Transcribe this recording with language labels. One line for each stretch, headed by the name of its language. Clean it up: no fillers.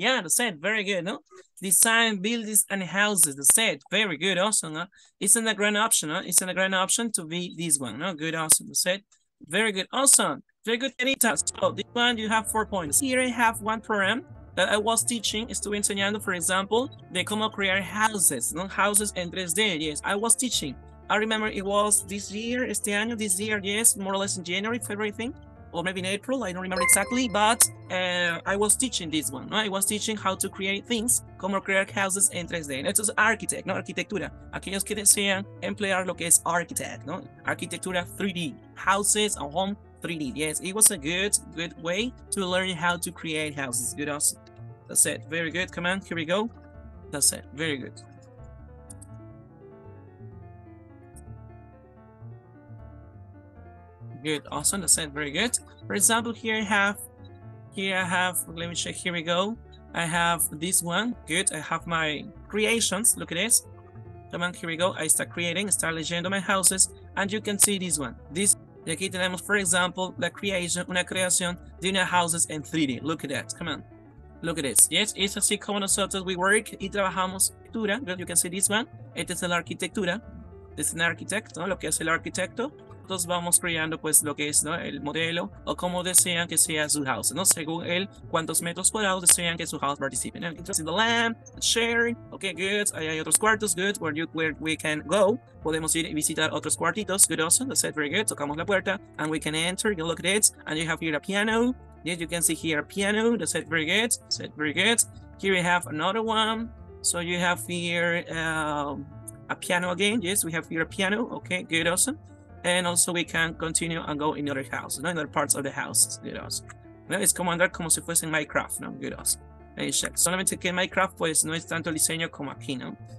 English: Yeah, that's it. Very good, no? Design buildings and houses, that's it. Very good, awesome. No? Isn't a grand option, no? Isn't a grand option to be this one, no? Good, awesome, that's it. Very good, awesome. Very good, Anita. So, this one, you have 4 points. Here I have one program that I was teaching.
Spanish: Estuve enseñando,
English: for example,
Spanish: de cómo crear houses, no?
English: Houses en 3D, yes. I was teaching. I remember it was this year,
Spanish: este año,
English: this year, yes. More or less in January, February, I think. Or maybe in April, I don't remember exactly, but I was teaching this one, right? I was teaching how to create things,
Spanish: como crear houses en 3D. Esto es architect, no arquitectura. Aquellos que desean emplear lo que es architect, no?
English: Arquitectura 3D, houses and home 3D. Yes, it was a good way to learn how to create houses. Good, awesome. That's it, very good. Come on, here we go. That's it, very good. Good, awesome, that's it, very good. For example, here I have, let me check, here we go. I have this one, good, I have my creations, look at this. Come on, here we go, I start creating, start leyendo my houses, and you can see this one.
Spanish: This, y aquí tenemos,
English: for example,
Spanish: la creación, una creación de una houses en 3D.
English: Look at that, come on, look at this.
Spanish: Yes, es así como nosotros
English: we work
Spanish: y trabajamos.
English: Good, you can see this one,
Spanish: este es la arquitectura.
English: This is an architect,
Spanish: ¿no? Lo que hace el arquitecto. Entonces vamos creando pues lo que es, ¿no? El modelo o como desean que sea su house, ¿no? Según él, cuántos metros cuadrados desean que su house participe, ¿no?
English: Entonces, the lamp, the chair, okay, good.
Spanish: Ahí hay otros cuartos,
English: good, where we can go.
Spanish: Podemos ir y visitar otros cuartitos, good, awesome.
English: That's it, very good.
Spanish: Tocamos la puerta
English: and we can enter, you look at it. And you have here a piano. Yes, you can see here a piano. That's it, very good. That's it, very good. Here we have another one. So you have here a piano again. Yes, we have here a piano. Okay, good, awesome. And also we can continue and go in other houses, no? In other parts of the house, good, awesome.
Spanish: No, es como andar como si fuese en Minecraft, no?
English: Good, awesome. Hey, check.
Spanish: Solamente que en Minecraft, pues, no es tanto el diseño como aquí, no?